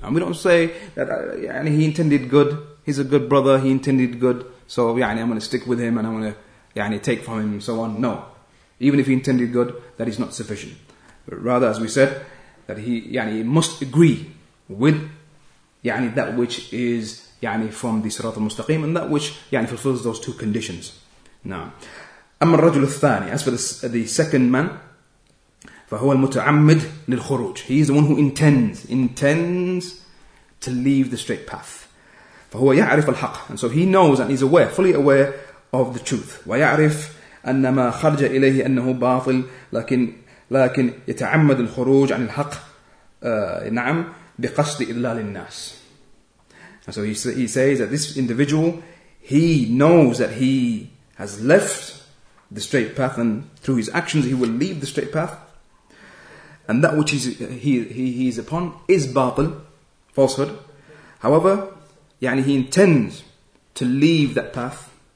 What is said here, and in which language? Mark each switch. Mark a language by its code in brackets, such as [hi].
[en] And we don't say that he intended good, he's a good brother, he intended good, so I'm going to stick with him and I'm going to take from him and so on. No. Even if he intended good, that is not sufficient. But rather, as we said, that he must agree with that which is from the Sirat al-Mustaqim, and that which fulfills those two conditions. Now, [ar] أما الرجل الثاني, [en] as for the second man, [ar] فهو المتعمد للخروج. [en] He is the one who intends to leave the straight path. [ar] فهو يعرف الحق. [en] And so he knows and he's aware, fully aware of the truth. [ar] ويعرف أن ما خرج إليه أنه باطل لكن يتعمد الخروج عن الحق نعم بقصد إضلال الناس. [en] And so he says that this individual, he knows that he has left the straight path, and through his actions he will leave the straight path, and that which he is upon is batil, falsehood. However, he intends to leave that path.